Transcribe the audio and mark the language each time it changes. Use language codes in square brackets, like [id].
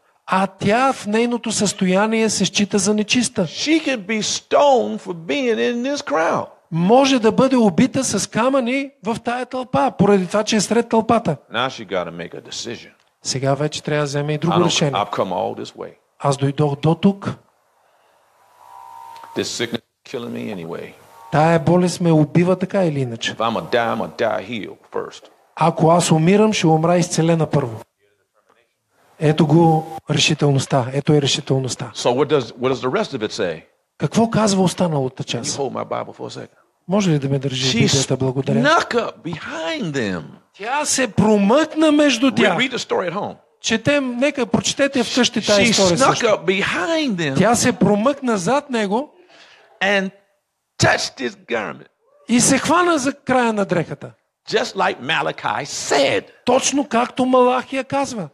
[bg] А тя в нейното състояние се счита за нечиста. [en] She could be stoned for being in this crowd. [bg] Може да бъде убита с камъни в тая тълпа, поради това, че е сред тълпата. [en] Now she gotta make a decision. [bg] Сега вече трябва да вземе и друго решение. [en] I've come all this way. [bg] Аз дойдох до тук. [en] This sickness is killing me anyway. [bg] Тая болест ме убива така или иначе. [en] If I'ma die, I'ma die healed first. [bg] Ако аз умирам, ще умра изцелена първо. Ето го решителността. Ето е решителността. [en] So what does the rest of it say? [bg] Какво казва останалата част? [en] Can you hold my Bible for a second? [bg] Може ли да ме държи Библията, благодаря? [en] Snuck up behind them. [bg] Тя се промъкна между тях. [en] Read the story at home. [bg] Четем, нека прочетете вкъщи тази история. [en] Snuck up behind them. [bg] Тя се промъкна зад него. [en] And touched his garment. [bg] И се хвана за края на дрехата. [en] Just like Malachi said. [bg] Точно както Малахия казва.